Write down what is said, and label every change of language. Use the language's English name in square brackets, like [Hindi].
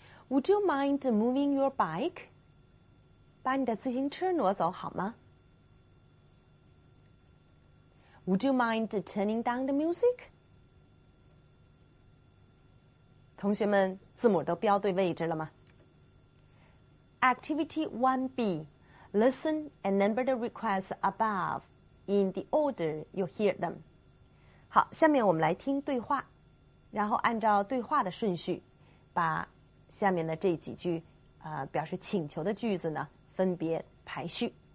[English] Would you mind moving your bike? [Chinese] 把你的自行车挪走好吗？ [English] Would you mind turning down the music? [Chinese] 同学们，字母都标对位置了吗？ [English] Activity 1B. Listen and number the requests above in the order you hear them. [Chinese] 好，下面我们来听对话，然后按照对话的顺序，把下面的这几句表示请求的句子呢，分别排序。